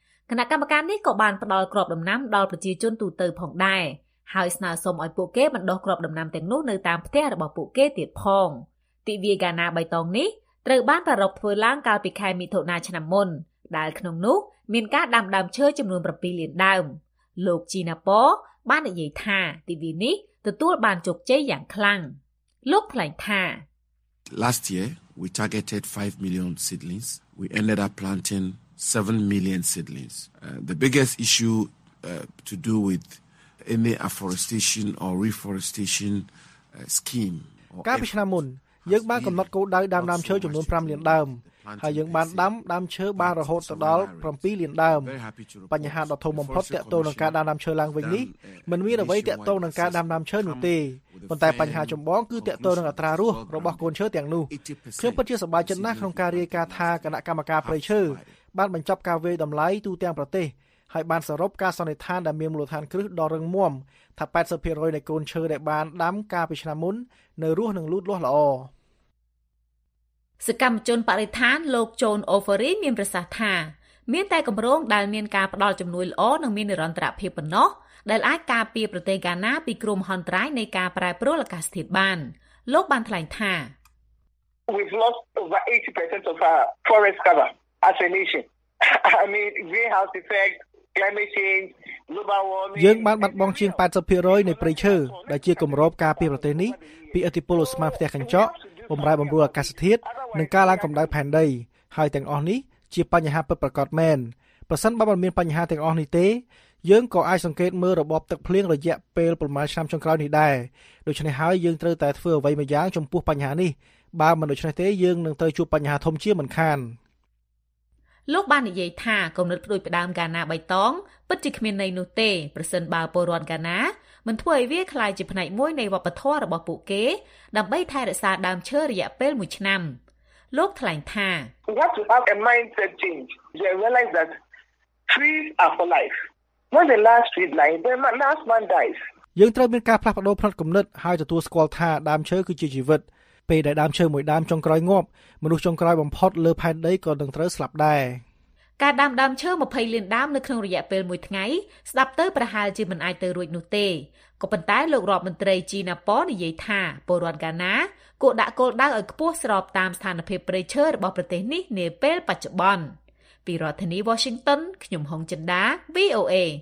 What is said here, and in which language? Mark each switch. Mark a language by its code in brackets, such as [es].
[km] គណៈកម្មការនេះក៏បានផ្ដល់គ្រាប់ដំណាំដល់ប្រជាជនទូទៅផងដែរហើយស្នើសុំឲ្យពួកគេបណ្ដុះគ្រាប់ដំណាំទាំងនោះនៅតាមផ្ទះរបស់ពួកគេទៀតផងទិវាកាណាបៃតងនេះត្រូវបានប្រារព្ធធ្វើឡើងកាលពីខែមិថុនាឆ្នាំមុនដែលក្នុងនោះមានការដាំដើមឈើចំនួន7លានដើមលោកជីណាប៉ូបាននិយាយថាទិវានេះទទួលបានជោគជ័យយ៉ាងខ្លាំងលោកថ្លែងថា [en] Last year we targeted 5 million seedlings we ended up planting 7 million seedlings the biggest issue to do with any afforestation or reforestation scheme [km] កាលពីឆ្នាំមុនយើងបានកំណត់គោលដៅដាំដើមឈើចំនួន5លានដើមហើយយើងបានដាំដើមឈើបានរហូតទៅដល់7លានដើមបញ្ហាដ៏ធំបំផុតទាក់ទងនឹងការដាំដើមឈើឡើងវិញនេះមិនមានអ្វីទាក់ទងនឹងការដាំដើមឈើនោះទេប៉ុន្តែបញ្ហាចម្បងគឺទាក់ទងនឹងអត្រារស់របស់កូនឈើទាំងនោះខ្ញុំពិតជាសប្បាយចិត្តណាស់ក្នុងការរាយការណ៍ថាគណៈកម្មការព្រៃឈើ បានបញ្ចប់ការវាយតម្លៃទូទាំងប្រទេសហើយបានសរុបការសន្និដ្ឋានដែលមានមូលដ្ឋានគ្រឹះដ៏រឹងមាំថា 80% នៃកូនឈើដែលបានដាំកាលពីឆ្នាំមុននៅរស់និងលូតលាស់ល្អ សកម្មជនបរិស្ថានលោកជូនអូហ្វរីមានប្រសាសន៍ថាមានតែគម្រោងដែលមានការផ្តល់ជំនួយល្អនិងមាននិរន្តរភាពប៉ុណ្ណោះដែលអាចការពារប្រទេសកាណាពីគ្រោះមហន្តរាយនៃការប្រែប្រួលអាកាសធាតុបានលោកបានថ្លែងថា [en] We've lost over 80% of our forest cover as a nation. I mean greenhouse effect climate change global warming [km] យើងបានបាត់បង់ជាង 80% នៃព្រៃឈើដែលជាគម្របការពារប្រទេសនេះពីឥទ្ធិពលឧស្ម័នផ្ទះកញ្ចក់បំរែបំរួលអាកាសធាតុនិងការឡើងកម្ដៅផែនដីហើយទាំងអស់នេះជាបញ្ហាពិតប្រាកដមែនប្រសិនបើមិនមានបញ្ហាទាំងអស់នេះទេយើងក៏អាចសង្កេតមើលរបបទឹកភ្លៀងរយៈពេលប្រមាណឆ្នាំចុងក្រោយនេះដែរដូច្នេះហើយយើងត្រូវតែធ្វើអ្វីមួយយ៉ាងចំពោះបញ្ហានេះបើមិនដូច្នេះទេយើងនឹងត្រូវជួបបញ្ហាធំជាមិនខាន លោកបាននិយាយថាគំនិតផ្ដួចផ្ដើមកាណាបៃតងពិតជាគ្មាននៃនោះទេប្រសិនបើពលរដ្ឋកាណាមិនធ្វើឲ្យវាខ្លាយជាផ្នែកមួយនៃវប្បធម៌របស់ពួកគេដើម្បីថែរក្សាដើមឈើរយៈពេលមួយឆ្នាំលោកថ្លែងថា [en] What to have a mindset change they realize that trees are for life when the last tree dies the last one dies [km] យើងត្រូវមានការផ្លាស់ប្ដូរផ្នត់គំនិតឲ្យទទួលស្គាល់ថាដើមឈើគឺជាជីវិតពេលដែលដើមឈើមួយដើមចុងក្រោយងាប់មនុស្សចុងក្រោយបំផុតលើផែនដីក៏នឹងត្រូវស្លាប់ដែរ ការដាំដើមឈើ20លានដើមនៅក្នុងរយៈពេល1ថ្ងៃស្ដាប់ទៅប្រហែលជាមិនអាចទៅរួចនោះទេក៏ប៉ុន្តែលោករដ្ឋមន្ត្រីជីណាប៉ូនិយាយថាពលរដ្ឋកាណាគួរដាក់គោលដៅឲ្យខ្ពស់ស្របតាមស្ថានភាពព្រៃឈើរបស់ប្រទេសនេះនាពេលបច្ចុប្បន្នពីរដ្ឋធានី Washington ខ្ញុំហុងចិនដា VOA